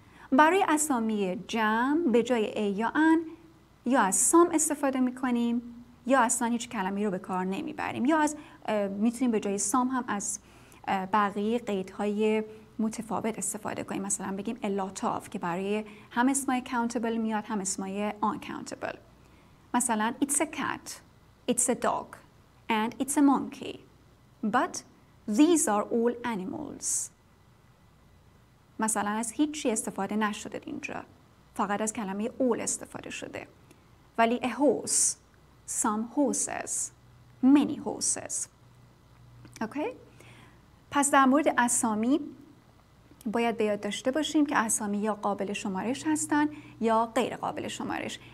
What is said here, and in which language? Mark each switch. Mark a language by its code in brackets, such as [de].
[fa] برای اسامی جمع به جای A یا an یا از some استفاده میکنیم یا اصلا هیچ کلمی رو به کار نمیبریم یا از میتونیم به جای some هم از بقیه قیدهای متفاوت استفاده کنیم. مثلا بگیم [en] a lot of [fa] که برای هم اسمای countable میاد هم اسمای uncountable. [en] مثلا it's a cat, it's a dog and it's a monkey but these are all animals. [fa] مثلا از هیچی استفاده نشده اینجا، فقط از کلمه all استفاده شده. [en] ولی a horse, some horses, many horses. Okay. [fa] پس در مورد اسامی باید بیاد داشته باشیم که اسامی یا قابل شمارش هستن یا غیر قابل شمارش.